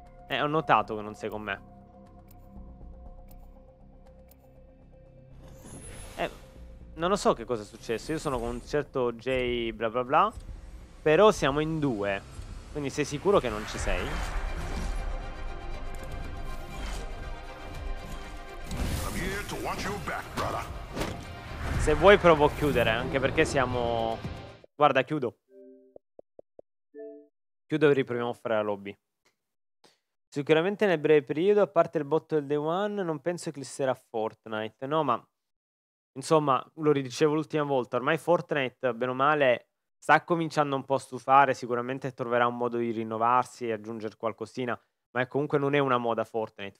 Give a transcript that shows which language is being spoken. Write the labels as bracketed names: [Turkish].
[Italian] Ho notato che non sei con me. non lo so che cosa è successo. Io sono con un certo J bla bla bla. Però siamo in due. Quindi sei sicuro che non ci sei? [English] I'm here to watch you back, brother. [Italian] Se vuoi provo a chiudere, anche perché siamo... Guarda, chiudo. Chiudo e riproviamo a fare la lobby. Sicuramente nel breve periodo, a parte il botto del Day One, non penso che glisserà Fortnite. No, ma... Insomma, lo ridicevo l'ultima volta, ormai Fortnite, bene o male, sta cominciando un po' a stufare, sicuramente troverà un modo di rinnovarsi e aggiungere qualcosina, ma comunque non è una moda Fortnite.